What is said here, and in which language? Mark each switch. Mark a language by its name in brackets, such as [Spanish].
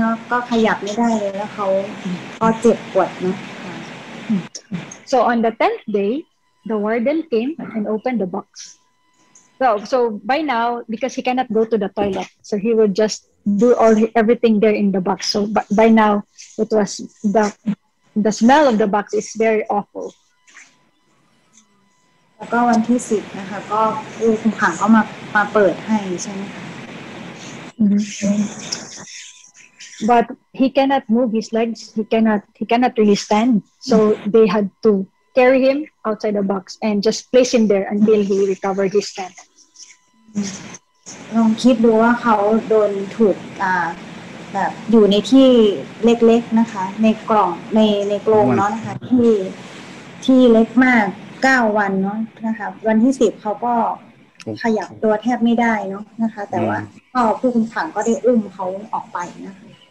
[Thai] ก็ขยับไม่ได้เลยแล้วเขาก็เจ็บปวดนะ [English] so on the 10th day the warden came and opened the box so by now because he cannot go to the toilet so he would just do all everything there in the box so by now it was the smell of the box is very awful [Thai] แล้วก็วันที่10นะคะก็ผู้คุมขังก็มาเปิดให้ใช่มั้ย [English] คะ but he cannot move his legs he cannot really stand so they had to carry him outside the box and just place him there until he recovered his strength [Thai] ลองคิดดูว่าเขาโดนถูกแบบอยู่ในที่เล็กๆนะคะในกล่องในกรงเนาะนะคะที่เล็กมาก9วันเนาะนะคะวันที่10เขาก็ขยับตัวแทบไม่ได้เนาะนะคะแต่ว่าพ่อผู้คุมขังก็ได้อุ้มเขาออกไปนะคะ